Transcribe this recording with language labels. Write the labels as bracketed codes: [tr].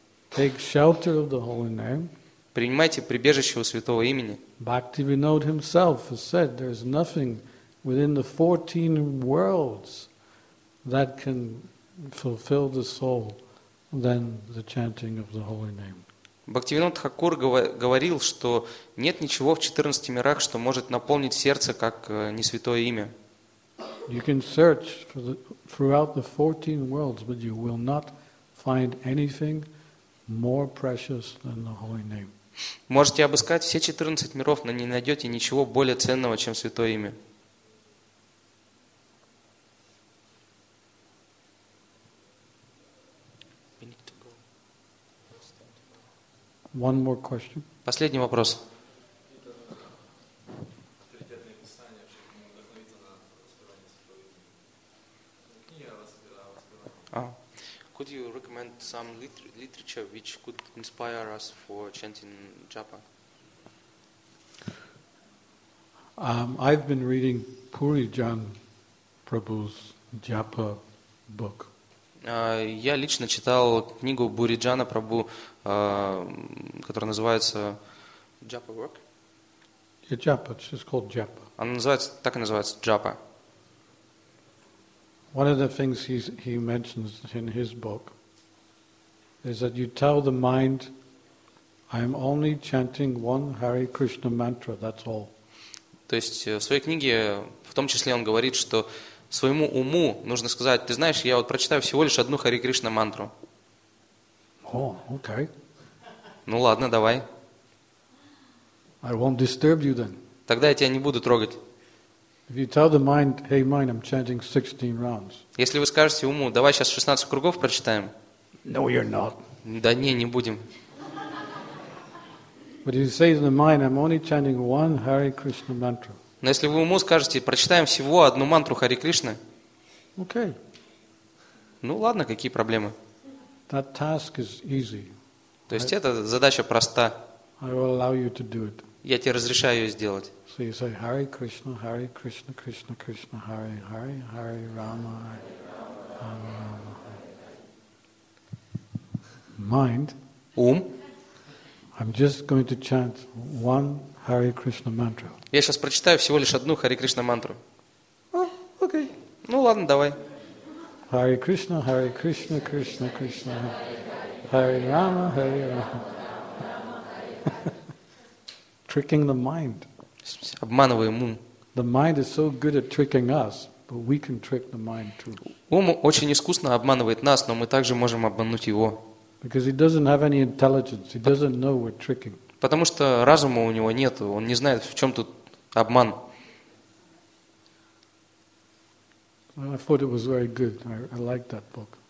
[en] Take shelter of the holy name. [ru] Принимайте прибежище у святого имени. [en] Bhaktivinoda himself has said there is nothing within the 14 worlds that can fulfill the soul than the chanting of the holy name. [ru] Bhaktivinoda Thakur говорил, что нет ничего в 14 мирах, что может наполнить сердце, как не святое имя. [en] You can search throughout the 14 worlds, but you will not find anything more precious than the holy name. [ru] Можете обыскать все 14 миров, но не найдете ничего более ценного, чем святое имя. [en] One more question. [ru] Последний вопрос. [en] Could you recommend some literature which could inspire us for chanting japa? I've been reading Puri Jan Prabhu's japa book. [ru] Я лично читал книгу Буриджана Прабу, которая называется [en] Japa Work. Yeah, Japa, it's just called Japa. [ru] Она называется, так и называется, Japa. [en] One of the things he mentions in his book is that you tell the mind, I am only chanting one Hare Krishna mantra, that's all. [ru] То есть в своей книге, в том числе, он говорит, что своему уму нужно сказать, ты знаешь, я вот прочитаю всего лишь одну Хари Кришна мантру. О, окей. Ну ладно, давай. [en] I won't disturb you then. [ru] Тогда я тебя не буду трогать. Если вы скажете уму, давай сейчас 16 кругов прочитаем. [en] No, you're not. [ru] Да не, не будем. [en] But if you say to the mind, I'm only chanting one Hare Krishna mantra. [ru] Но если вы уму скажете, прочитаем всего одну мантру Хари Кришны. [en] Okay. [ru] Ну ладно, какие проблемы? [en] That task is easy. [ru] То есть эта задача проста. [en] I will allow you to do it. [ru] Я тебе разрешаю ее сделать. [en] So you say Hare Krishna, Hare Krishna, Krishna Krishna, Hare Hare, Hare Rama, Hare Rama, Hare Rama. Mind. [ru] Ум. [en] I'm just going to chant one Hare Krishna mantra. [ru] Я сейчас прочитаю всего лишь одну Хари Кришна мантру. Окей. Ну ладно, давай. Хари Кришна, Хари Кришна, Кришна, Кришна. Хари Рама, Хари Рама. [en] Tricking the mind. [ru] Обманываем ум. [en] The mind is so good at tricking us, but we can trick the mind too. [ru] Ум очень искусно обманывает нас, но мы также можем обмануть его. Because he doesn't have any intelligence. He doesn't know we're tricking. Потому что разума у него нет, он не знает, в чем тут обман. [en] I thought it was very good. I liked that book.